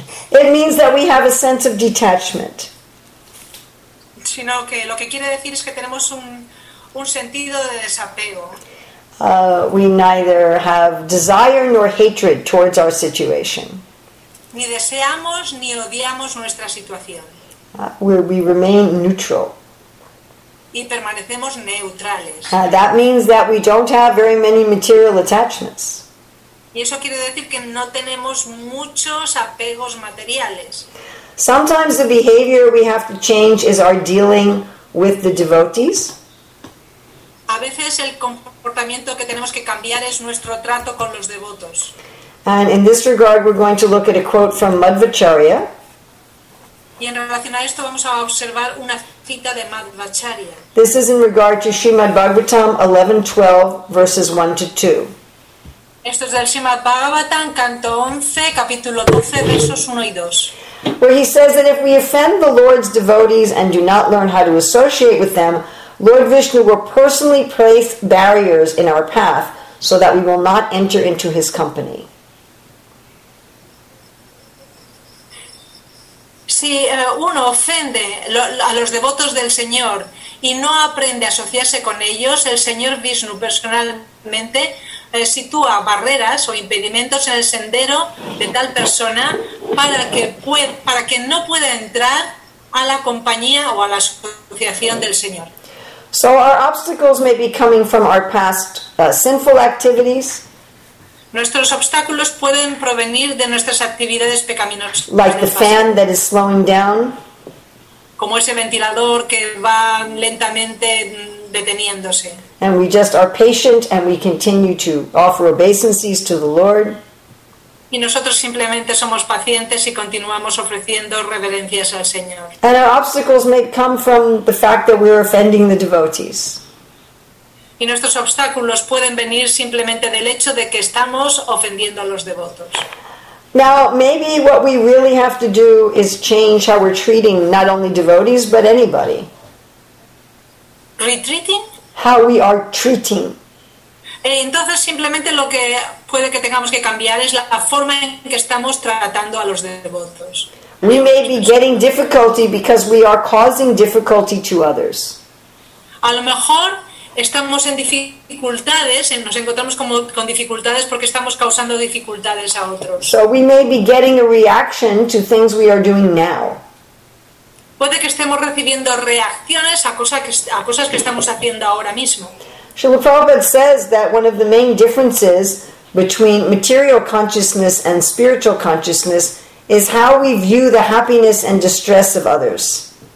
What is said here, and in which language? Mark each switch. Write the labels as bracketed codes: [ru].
[en] It means that we have a sense of detachment. [es] Sino que lo que quiere decir es que tenemos un sentido de desapego. [en] We neither have desire nor hatred towards our situation. [es] Ni deseamos ni odiamos nuestra situación. [en] Where we remain neutral. [es] y permanecemos neutrales. [en] That means that we don't have very many material attachments. [es] Y eso quiere decir que no tenemos muchos apegos materiales. [en] Sometimes the behavior we have to change is our dealing with the devotees. [es] A veces el comportamiento que tenemos que cambiar es nuestro trato con los devotos. [en] And in this regard, we're going to look at a quote from Madhvacharya. [es] Y en relación a esto vamos a observar una cita de Madhvacharya. [en] This is in regard to Srimad Bhagavatam 11:12, verses 1 to 2. [es] Esto es del Srimad Bhagavatam, canto 11, capítulo 12, versos 1 y 2. [en] Where he says that if we offend the Lord's devotees and do not learn how to associate with them, Lord Vishnu will personally place barriers in our path so that we will not enter into his company. [es] Si uno ofende a los devotos del Señor y no aprende a asociarse con ellos, el Señor Vishnu personalmente sitúa barreras o impedimentos en el sendero de tal persona para que no pueda entrar a la compañía o a la asociación del Señor. [en] So our obstacles may be coming from our past sinful activities. [es] Nuestros obstáculos pueden provenir de nuestras actividades pecaminosas. [en] Like the fan that is slowing down. [es] Como ese ventilador que va lentamente deteniéndose. [en] And we just are patient and we continue to offer obeisances to the Lord. [es] Y nosotros simplemente somos pacientes y continuamos ofreciendo reverencias al Señor. [en] And our obstacles may come from the fact that we are offending the devotees. [es] Y nuestros obstáculos pueden venir simplemente del hecho de que estamos ofendiendo a los devotos. [en] Now, maybe what we really have to do is change how we're treating not only devotees, but anybody. Retreating? How we are treating. [es] Entonces, simplemente lo que puede que tengamos que cambiar es la forma en que estamos tratando a los devotos. [en] We may be getting difficulty because we are causing difficulty to others. [es] A lo mejor estamos en dificultades, nos encontramos con dificultades porque estamos causando dificultades a otros. [en] So we may be getting a reaction to things we are doing now. [es] Puede que estemos recibiendo reacciones a cosas que estamos haciendo ahora mismo. [en] Srila Prabhupada says that one of the main differences between material consciousness and spiritual consciousness is how we view the happiness and distress of others.